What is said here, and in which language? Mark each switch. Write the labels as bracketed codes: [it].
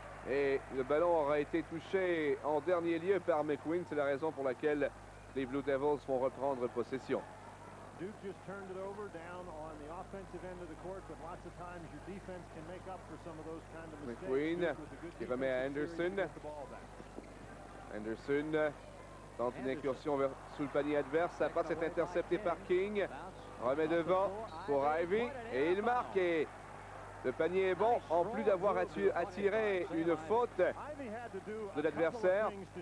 [fr] Et le ballon aurait été touché en dernier lieu par McQueen. C'est la raison pour laquelle les Blue Devils vont reprendre possession. [en] Duke just turned it over down on the offensive end of the court, but lots of times your defense can make up for some of those kind of mistakes. McQueen, give him a Anderson. [fr] Anderson tente une incursion sous le panier adverse. Sa passe est interceptée par King. Remet devant pour Ivy et il marque. Et le panier est bon, en plus d'avoir attiré une faute de l'adversaire.